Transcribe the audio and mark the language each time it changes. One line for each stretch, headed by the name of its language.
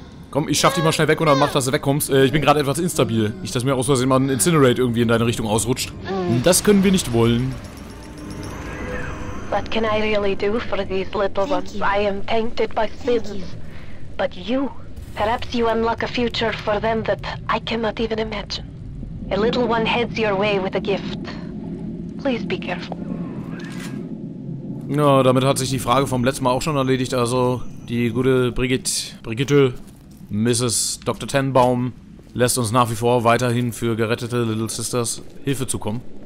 German: Komm, ich schaff dich mal schnell weg und dann mach, dass du wegkommst. Ich bin gerade etwas instabil. Nicht, dass mir aus Versehen mal ein Incinerate irgendwie in deine Richtung ausrutscht. Das können wir nicht wollen.
English: What can I really do for these little ones? I am tainted by sins. But you, perhaps you unlock a future for them that I cannot even imagine. A little one heads your way with a gift. Please be careful.
German: Ja, damit hat sich die Frage vom letzten Mal auch schon erledigt. Also, die gute Brigitte, Mrs. Dr. Tenbaum, lässt uns nach wie vor weiterhin für gerettete Little Sisters Hilfe zukommen.